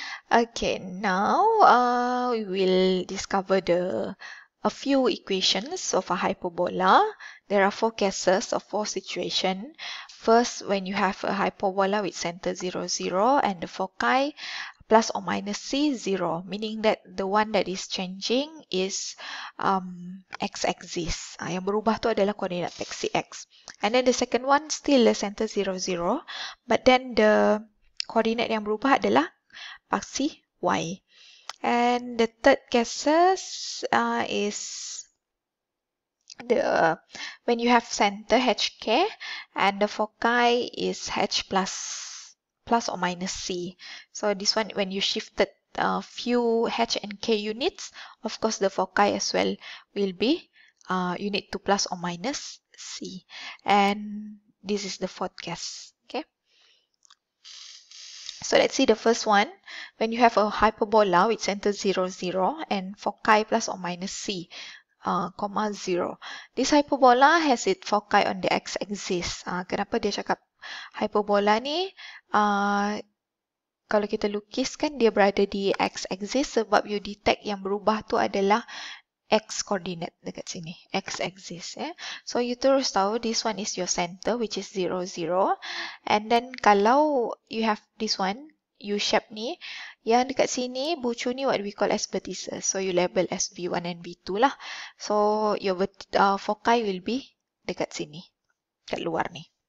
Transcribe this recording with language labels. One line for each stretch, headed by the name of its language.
English: Okay, now we will discover a few equations of a hyperbola. There are four cases of four situations. First, when you have a hyperbola with center 0, 0 and the foci plus or minus C, 0, meaning that the one that is changing is x-axis.
Malay: Yang berubah tu adalah koordinat vektor x.
English: And then the second one still the center 0, 0, but then the
Malay: koordinat yang berubah adalah paksi y.
English: And the third cases is when you have center hk and the foci is h plus or minus C. So this one, when you shifted few H and K units. Of course, the foci as well will be you need to plus or minus C. And this is the fourth guess. Okay. So let's see the first one. When you have a hyperbola which enters 0, 0 and foci plus or minus C, comma 0. This hyperbola has its foci on the x-axis.
Malay: Kenapa dia cakap hyperbola ni? Kalau kita lukiskan dia berada di x-axis sebab you detect yang berubah tu adalah x-coordinate dekat sini.
English: X-axis. Eh? So you
Malay: terus tahu
English: this one is your center which is 0, 0. And then kalau you have this one, U-shape ni,
Malay: yang dekat sini bucu ni
English: what we call as vertices. So you label as V1 and V2 lah. So your foci will be
Malay: dekat sini, dekat luar ni.